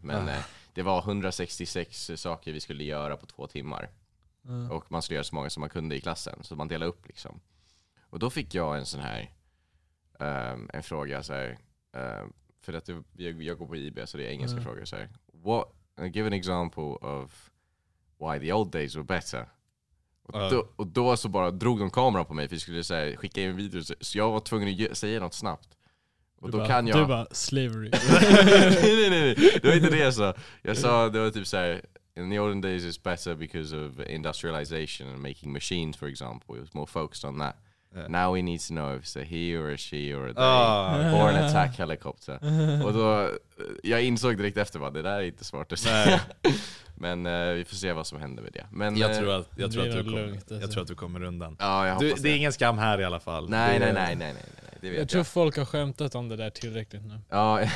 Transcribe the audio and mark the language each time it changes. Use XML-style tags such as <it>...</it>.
<sv>Men det var 166 saker vi skulle göra på 2 timmar. Och man skulle göra så många som man kunde i klassen. Så man delade upp liksom. Och då fick jag en sån här, en fråga så här. För att jag går på IB, så det är engelska frågor. Så här, what?</sv> <en>Give an example of why the old days were better.</en> <sv>Och då så bara drog de kameran på mig för jag skulle säga, skicka in en video. Så jag var tvungen att säga något snabbt. Och du då bara, kan jag... Du bara, slavery. Nej. Det var inte det jag sa. Jag sa, det var typ så här,</sv> <en>in the olden days it's better because of industrialization and making machines, for example. It was more focused on that. Yeah. Now we need to know if it's a he or a she or a they or an attack helicopter.</en> <sv>Och då, jag insåg direkt efter, vad det där är inte smart att säga. Men vi får se vad som händer med det. Men jag tror att du kommer undan. Ja, det är ingen skam här i alla fall. Nej. Det vet jag tror folk har skämtat om det där tillräckligt nu. Ja.</sv>